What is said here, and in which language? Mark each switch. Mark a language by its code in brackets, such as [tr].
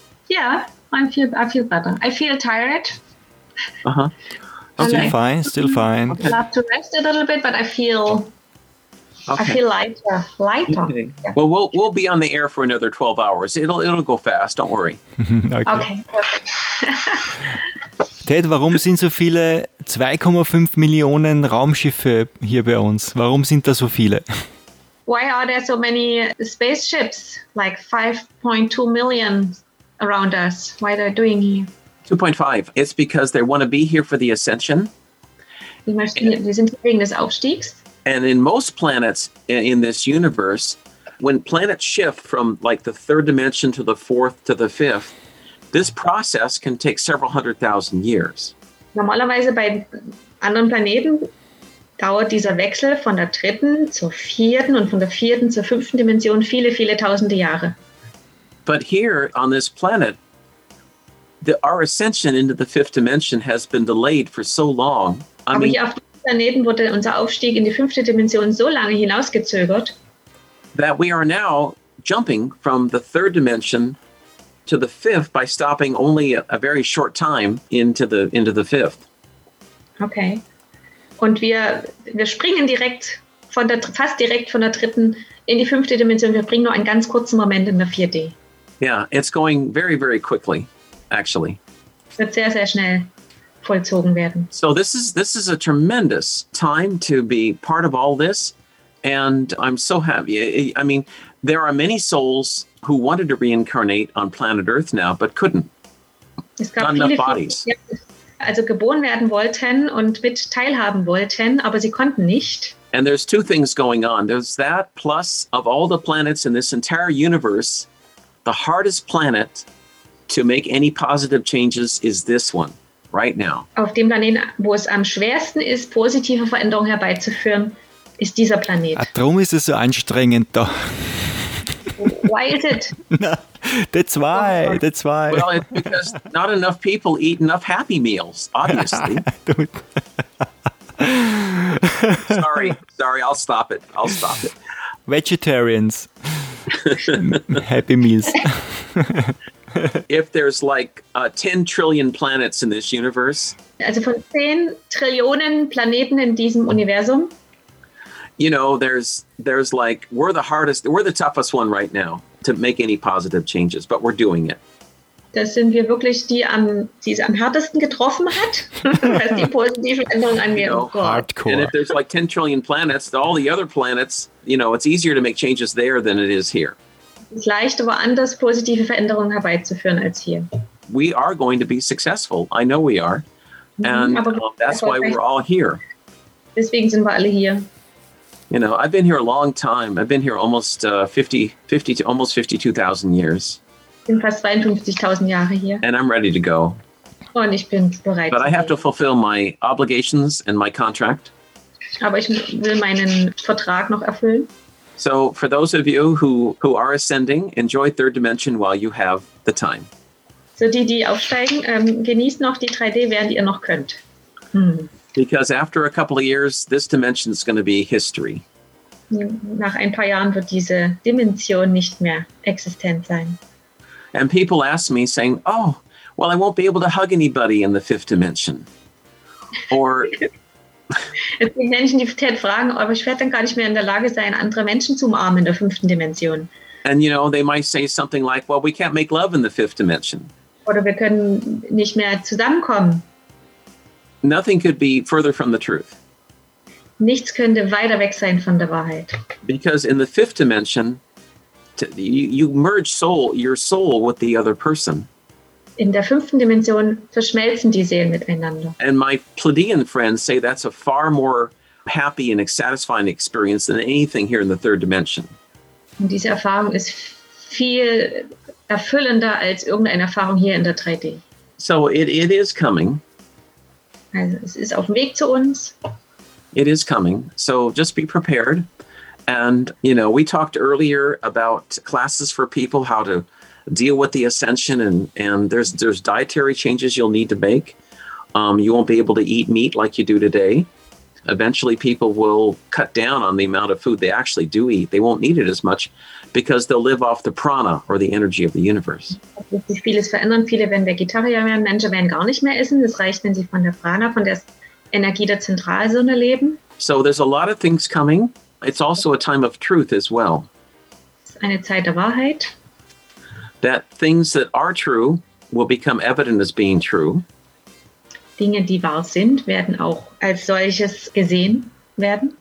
[en] Yeah, I feel better. I feel tired. Okay. Still fine. I'd love to rest a little bit, but I feel... Okay. I feel lighter. Okay. Yeah. Well, we'll be on the air for another 12 hours. It'll go fast, don't worry. Okay. [de] Ted, warum sind so viele 2,5 Millionen Raumschiffe hier bei uns? Warum sind da so viele? [en] Why are there so many spaceships, like 5.2 million around us? Why are they doing here? 2.5. It's because they want to be here for the ascension. [de] Die sind wegen des Aufstiegs. [en] And in most planets in this universe, when planets shift from like the third dimension to the fourth to the fifth, this process can take several hundred thousand years. [de] Normalerweise bei anderen Planeten dauert dieser Wechsel von der dritten zur vierten und von der vierten zur fünften Dimension viele, viele tausende Jahre. [en] But here on this planet, our ascension into the fifth dimension has been delayed for so long. [de] Daneben wurde unser Aufstieg in die fünfte Dimension so lange hinausgezögert, [en] that we are now jumping from the third dimension to the fifth by stopping only a very short time into the fifth. Okay. [de] Und wir springen direkt von der fast direkt von der dritten in die fünfte Dimension. Wir bringen nur einen ganz kurzen Moment in der 4D. [en] Yeah, it's going very, very quickly, actually. [de] Es wird sehr, sehr schnell vollzogen werden. [en] So this is a tremendous time to be part of all this, and I'm so happy. I mean, there are many souls who wanted to reincarnate on planet Earth now, but couldn't. [de] Es gab viele, [en] enough bodies. [de] Viele, also geboren werden wollten und mit teilhaben wollten, aber sie konnten nicht. [en] And there's two things going on. There's that plus of all the planets in this entire universe, the hardest planet to make any positive changes is this one, right now. [de] Auf dem Planeten, wo es am schwersten ist, positive Veränderungen herbeizuführen, ist dieser Planet. Warum ist es so anstrengend da? [en] Why is it? That's why, that's why. Well, it's because not enough people eat enough Happy Meals, obviously. Sorry, I'll stop it. Vegetarians. Happy Meals. If there's like 10 trillion planets in this universe. [de] Also von 10 Trillionen Planeten in diesem Universum. [en] You know, there's like, we're the toughest one right now to make any positive changes, but we're doing it. [de] Das sind wir wirklich, die es am härtesten getroffen hat, was die positiven Änderungen angeht. [en] You know, hardcore. And if there's like 10 trillion planets, all the other planets, you know, it's easier to make changes there than it is here. [de] Es ist leichter, woanders positive Veränderungen herbeizuführen als hier. [en] We are going to be successful. I know we are. And that's why we're all here. [de] Deswegen sind wir alle hier. [en] You know, I've been here a long time. I've been here almost 50 to almost 52,000 years. [de] Bin fast 52,000 Jahre hier. [en] And I'm ready to go. [de] Und ich bin bereit. [en] But I have to fulfill my obligations and my contract. [de] Aber ich will meinen Vertrag noch erfüllen. [en] So for those of you who are ascending, enjoy third dimension while you have the time. [de] So die aufsteigen, genießt noch die 3D, während ihr noch könnt. [en] Because after a couple of years, this dimension is going to be history. [de] Nach ein paar Jahren wird diese Dimension nicht mehr existent sein. [en] And people ask me, saying, oh, well, I won't be able to hug anybody in the fifth dimension. Or... [de] Es gibt Menschen, die fragen, aber ich werde dann gar nicht mehr in der Lage sein, andere Menschen zu umarmen in der fünften Dimension. [en] And, you know, they might say something like, well, we can't make love in the fifth dimension. [de] Oder wir können nicht mehr zusammenkommen. [en] Nothing could be further from the truth. [de] Nichts könnte weiter weg sein von der Wahrheit. [en] Because in the fifth dimension, you merge your soul with the other person. [de] In der fünften Dimension verschmelzen die Seelen miteinander. [en] And my Pleiadian friends say that's a far more happy and satisfying experience than anything here in the third dimension. [de] Und diese Erfahrung ist viel erfüllender als irgendeine Erfahrung hier in der 3D. [en] So it is coming. [de] Also, es ist auf dem Weg zu uns. [en] It is coming. So just be prepared. And, you know, we talked earlier about classes for people, how to deal with the ascension. And there's dietary changes you'll need to make. You won't be able to eat meat like you do today. Eventually, people will cut down on the amount of food they actually do eat. They won't need it as much because they'll live off the prana or the energy of the universe. [de] Es wird vieles verändern. Viele werden Vegetarier werden. Menschen werden gar nicht mehr essen. Es reicht, wenn sie von der Prana, von der Energie der Zentralsonne leben. [en] So there's a lot of things coming. It's also a time of truth as well. [de] Es ist eine Zeit der Wahrheit. [en] That things that are true will become evident as being true. [de] Dinge, die wahr sind, werden auch als solches gesehen werden.